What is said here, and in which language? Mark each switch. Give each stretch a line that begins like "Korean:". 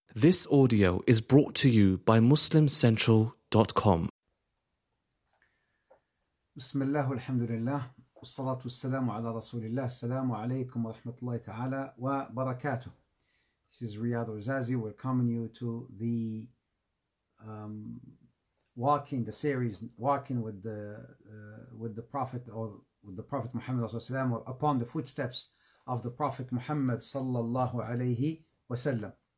English: This audio is brought to you by MuslimCentral.com.
Arabic: بسم الله والحمد لله والصلاة والسلام على رسول الله السلام عليكم ورحمة الله تعالى وبركاته.
English: This is Riyad Ruzazi welcoming you to the series walking with the Prophet Muhammad صلى الله عليه وسلم, upon the footsteps of the Prophet Muhammad صلى الله عليه وسلم.